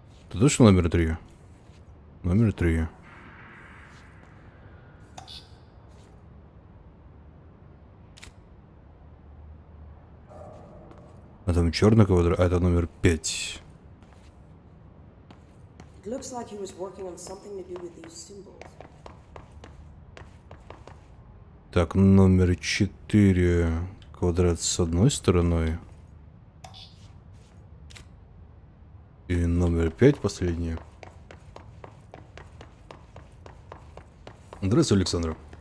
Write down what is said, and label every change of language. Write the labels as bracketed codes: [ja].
[ru] Ты точно номер три? Номер три. А там черный квадрат, а это номер пять. [en] It looks like he was working on something to do with these symbols. [ru] Так, номер четыре, квадрат с одной стороной. И номер пять, последний. Здравствуйте, Александр.